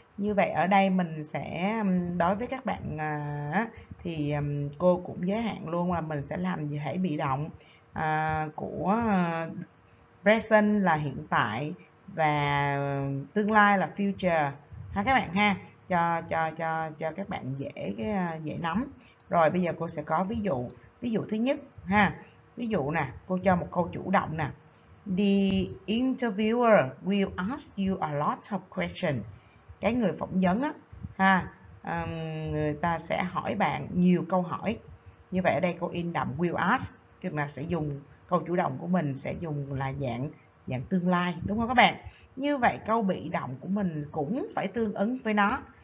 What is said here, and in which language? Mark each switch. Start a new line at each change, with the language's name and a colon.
Vietnamese: Như vậy ở đây mình sẽ đối với các bạn thì cô cũng giới hạn luôn là mình sẽ làm thể bị động của present là hiện tại và tương lai là future ha các bạn ha, cho các bạn dễ nắm. Rồi bây giờ cô sẽ có ví dụ. Ví dụ thứ nhất ha. Ví dụ nè, cô cho một câu chủ động nè.
English: The interviewer will ask you a lot of questions.
Vietnamese: Cái người phỏng vấn á, ha, người ta sẽ hỏi bạn nhiều câu hỏi. Như vậy ở đây cô in đậm will ask, tức là sẽ dùng câu chủ động của mình sẽ dùng là dạng tương lai, đúng không các bạn? Như vậy câu bị động của mình cũng phải tương ứng với nó.